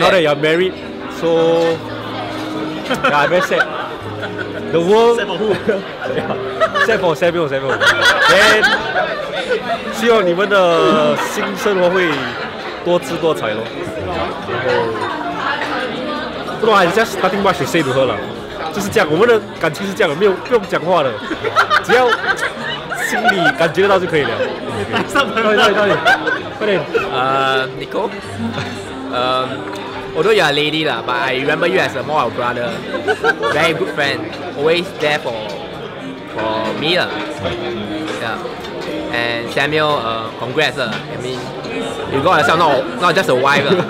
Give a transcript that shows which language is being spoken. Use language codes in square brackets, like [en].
[en] now that you're married So, yeah, I'm very sad. The world... Sad for who? Yeah, sad for Samuel. Then, [zh] 希望你们的新生活会多姿多彩咯。不然 [en] it's just nothing much to say to her 啦。 [zh] 就是这样，我们的感情是这样的，没有不用讲话的。只要心里感觉得到就可以了。快点。快点。 [en] Nico? Although you're a lady, but I remember you as more of a brother. Very good friend. Always there for me. Yeah. And Samuel, congrats. I mean, you got yourself not just a wife.